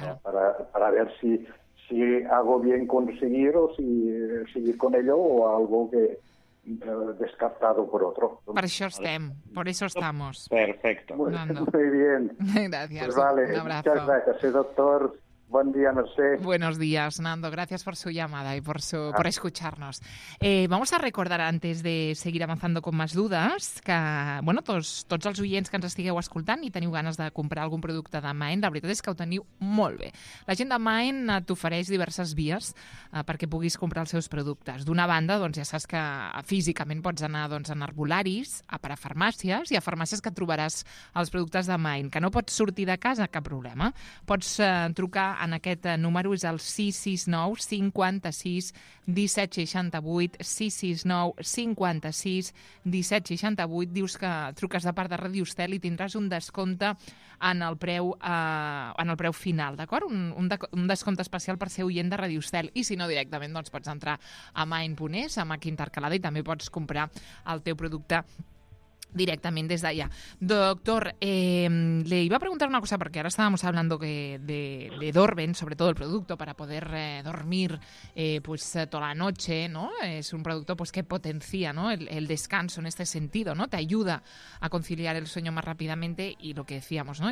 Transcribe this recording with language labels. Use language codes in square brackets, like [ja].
[es] para ver si... Si hago bien conseguir o si seguir con ello o algo que descartado por otro. Por eso estamos. Por eso estamos. Perfecto. Muy bien. Gracias. Pues vale. Un abrazo. Muchas gracias, doctor. Buen día, Mercedes. Buenos días, Nando. Gracias por su llamada y por escucharnos. Vamos a recordar, antes de seguir avanzando con más dudas, que bueno, [ca] tots els oients que ens estigueu escoltant i teniu ganes de comprar algun producte de Maen, la veritat és que ho teniu molt bé. La gent de Maen t'ofereix diverses vies perquè puguis comprar els seus productes. D'una banda, doncs, ja saps que físicament pots anar a herbolaris, a parafarmàcies, i a farmàcies que trobaràs els productes de Maen, que no pots sortir de casa, cap problema. Pots trucar en aquest número, és el 669-56-1768, 669-56-1768. Dius que truques de part de Ràdio Estel i tindràs un descompte en el preu final, d'acord? Un descompte especial per ser oient de Ràdio Estel. I si no, directament doncs pots entrar a Main.es, a Mac Intercalada, i també pots comprar el teu producte directament des d'allà. [es] Doctor, le iba a preguntar una cosa, porque ahora estábamos hablando de Dorben, sobre todo el producto para poder dormir pues toda la noche, ¿no? Es un producto pues que potencia, ¿no? El descanso en este sentido, ¿no? Te ayuda a conciliar el sueño más rápidamente y lo que decíamos, ¿no?